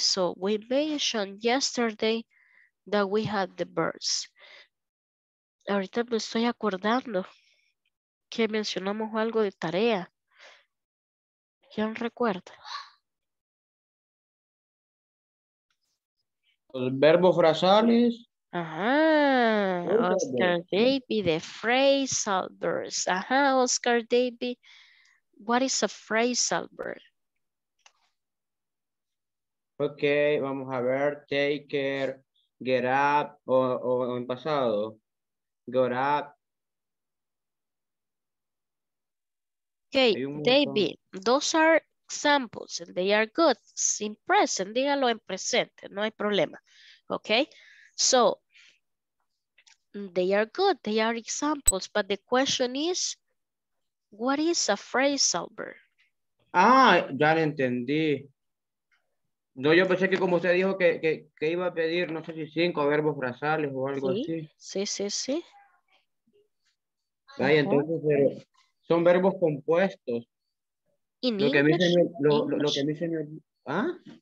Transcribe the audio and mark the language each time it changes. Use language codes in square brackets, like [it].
[en] So, we mentioned yesterday that we had the verbs. [es] Ahorita me estoy acordando que mencionamos algo de tarea. ¿Quién recuerda? Los verbos frasales. [en] Ajá. Oscar Davy, the phrasal verbs. Ajá, Oscar Davy. What is a phrasal verb? [es] Okay, vamos a ver. [en] Take care, get up, [es] o en pasado. [en] Got up. Okay, David, those are examples and they are good. In present, [es] dígalo en presente, no hay problema. [en] Okay, so they are good, they are examples, but the question is, what is a phrasal verb? [es] Ah, ya lo entendí. No, yo pensé que como usted dijo que iba a pedir, no sé si 5 verbos frasales o algo sí, así. Sí. Ay, entonces son verbos compuestos. [en] In [es] lo que [en] English, [es] me, lo que me señor, ¿ah?